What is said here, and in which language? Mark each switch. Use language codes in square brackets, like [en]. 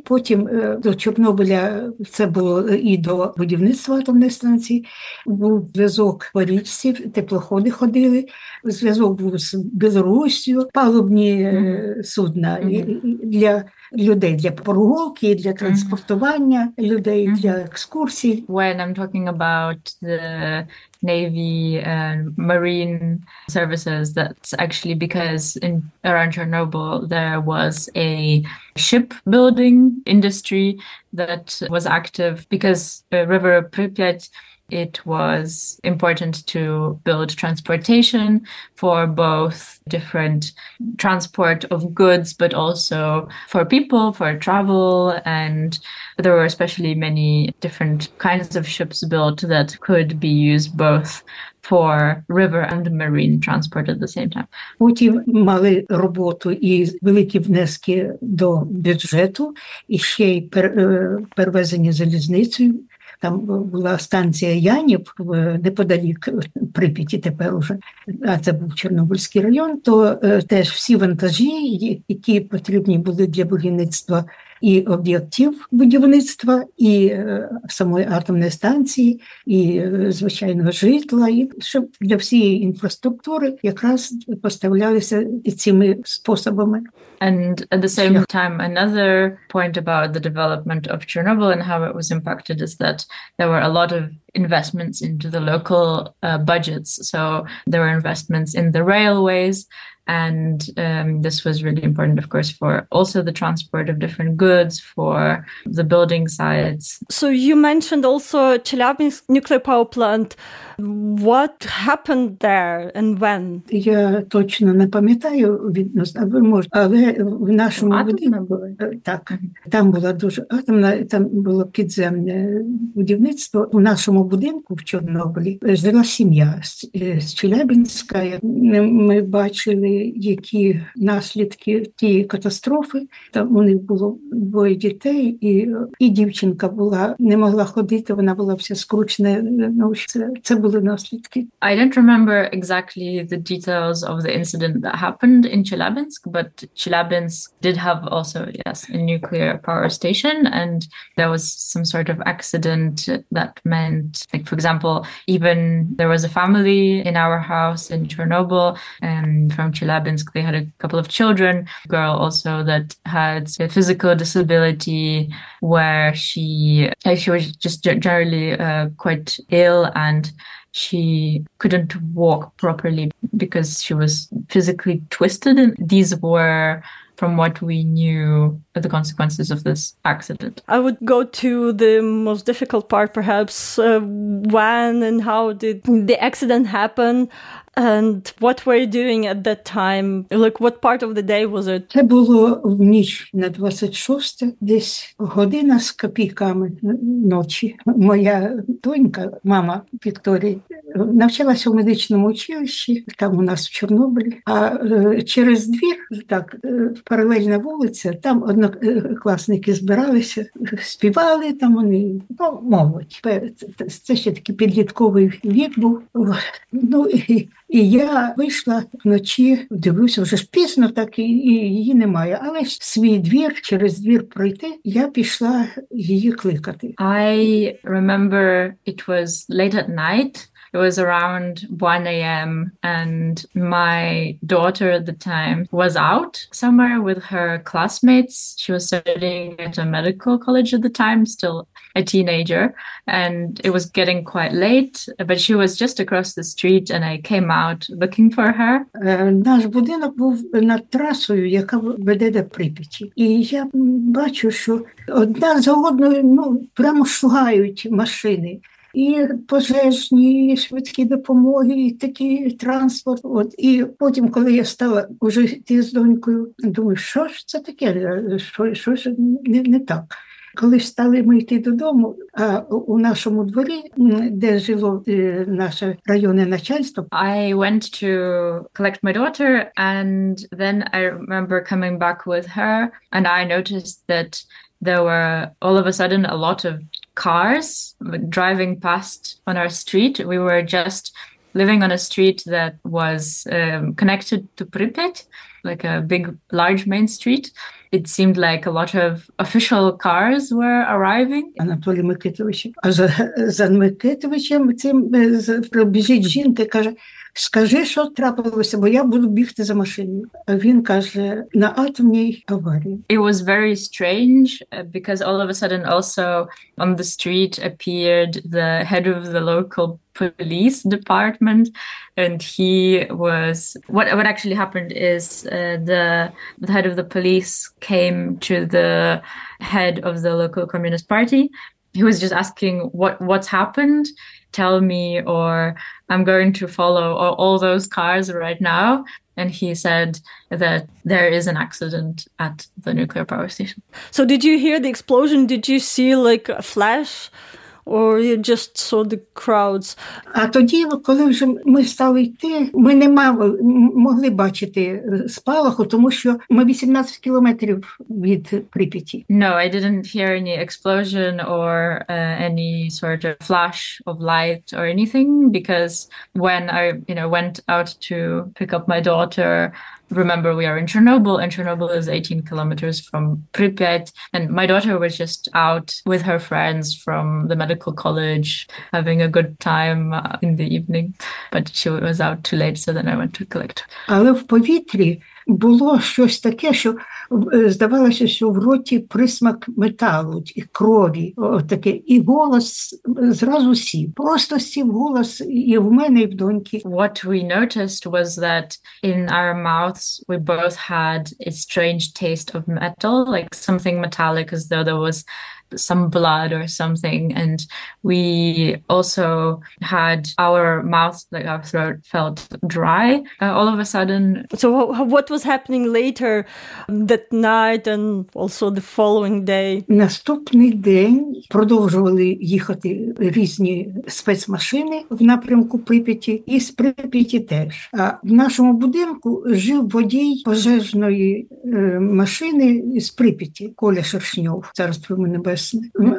[uk] Потім до Чорнобиля це було і до будівництва атомної станції. Був зв'язок по річці, теплоходи ходили. Зв'язок був з Білорусією, палубні судна для людей, для прогулки, для транспортування людей, для екскурсій. [en] When I'm talking about the Navy and marine services, that's actually because in around Chernobyl there was a shipbuilding industry that was active because the river Pripyat, it was important to build transportation for both different transport of goods, but also for people, for travel. And there were especially many different kinds of ships built that could be used both for river and marine transport at the same time. [uk] Потім мали роботу і великі внески до бюджету, і ще й перевезення залізницею. Там була станція Янів неподалік Прип'яті тепер уже, а це був Чорнобильський район, то теж всі вантажі, які потрібні були для будівництва і об'єктів будівництва, і самої атомної станції, і звичайного житла, і щоб для всієї інфраструктури якраз поставлялися і цими способами. [en] And at the same time, another point about the development of Chernobyl and how it was impacted is that there were a lot of investments into the local budgets. So there were investments in the railways, and this was really important, of course, for also the transport of different goods, for the building sites. So you mentioned also Chelyabinsk nuclear power plant. What happened there and when? [uk] Я точно не пам'ятаю відносно, ви можете, але в нашому будинку, так, там була дуже атомна, там було підземне будівництво. У нашому будинку в Чорнобилі жила сім'я з Челябинська. Ми бачили, які наслідки тієї катастрофи. Там у них було двоє дітей, і дівчинка була, не могла ходити, вона була вся скручена. Ну, це було. [en] I don't remember exactly the details of the incident that happened in Chelyabinsk, but Chelyabinsk did have also, yes, a nuclear power station, and there was some sort of accident that meant, like, for example, even there was a family in our house in Chernobyl, and from Chelyabinsk. Chelyabinsk. They had a couple of children, a girl also that had a physical disability where she was just generally quite ill, and she couldn't walk properly because she was physically twisted. And these were, from what we knew, the consequences of this accident. I would go to the most difficult part, perhaps. When and how did the accident happen? And what were you doing at that time? Like, what part of the day was it? [uk] Це було в ніч на 26-те, десь година з копійками ночі. Моя донька, мама Вікторії, навчалася в медичному училищі, там у нас в Чорнобилі. А через двір, так, паралельна вулиця, там однокласники збиралися, співали там вони, ну, мовить. Це ще такий підлітковий вік був. Ну, і я вийшла вночі, дивлюся, вже ж пізно, так і її немає. Але свій двір, через двір пройти, я пішла її кликати. [en] I remember it was late at night. It was around 1 a.m. and my daughter at the time was out somewhere with her classmates. She was studying at a medical college at the time, still a teenager, and it was getting quite late, but she was just across the street and I came out looking for her. [uk] Наш будинок був над трасою, яка веде до Прип'яті. І я бачу, що одна за одною, ну, прямо шугають машини. І пожежні, і швидкі допомоги, і такий транспорт. От. І потім, коли я стала вже йти з донькою, думаю, що ж це таке, що ж не так. Коли стали ми йти додому, а у нашому дворі, де жило наше районне начальство. [en] I went to collect my daughter, and then I remember coming back with her, and I noticed that there were all of a sudden a lot of cars driving past on our street. We were just living on a street that was connected to Pripyat, like a big, large main street. It seemed like a lot of official cars were arriving. [uk] Анатолій Микитович, а за Микитовичем цим пробіжить жінка, каже, скажи, що трапилося, бо я буду бігти за машиною. А він каже, на атомній аварії. [en] It was very strange because all of a sudden also on the street appeared the head of the local police department, and he was, what actually happened is the head of the police came to the head of the local communist party. He was just asking what's happened, tell me, or I'm going to follow all those cars right now. And he said that there is an accident at the nuclear power station. So did you hear the explosion? Did you see like a flash? Or you just saw the crowds? [uk] А тоді, коли вже ми стали йти, ми не могли бачити спалаху, тому що ми 18 кілометрів від Прип'яті. [en] No, I didn't hear any explosion or any sort of flash of light or anything, because when I, you know, went out to pick up my daughter, remember, we are in Chernobyl, and Chernobyl is 18 kilometers from Pripyat. And my daughter was just out with her friends from the medical college, having a good time in the evening. But she was out too late, so then I went to collect her. [uk] Але в повітрі було щось таке, що здавалося, що в роті присмак металу і крові, отаке. І голос зразу сів. Просто сів голос і в мене, і в доньки. [en] What we noticed was that in our mouths we both had a strange taste of metal, like something metallic, as though there was some blood or something, and we also had our mouth, like our throat, felt dry all of a sudden. So what was happening later that night and also the following day? [uk] Наступний день продовжували їхати різні спецмашини в напрямку Прип'яті, і з Прип'яті теж. А в нашому будинку жив водій пожежної машини з Прип'яті, Коля Шершньов. Зараз про мене чесне.